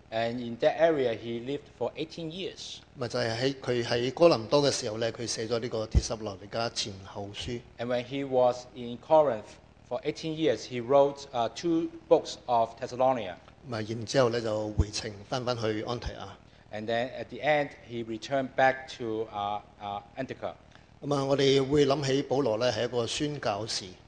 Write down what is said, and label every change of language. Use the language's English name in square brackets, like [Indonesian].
[English] And in that area he lived for 18 years. [Chinese] 就是他在哥林多的時候，他寫了這個帖撒羅尼迦前後書。 [English] And when he was in Corinth for 18 years, he wrote two books of Thessalonians. [Chinese] 然後就回程回去安提亞。 [English] And then at the end he returned back to Antioch. [Chinese] 我們會想起保羅是一個宣教士。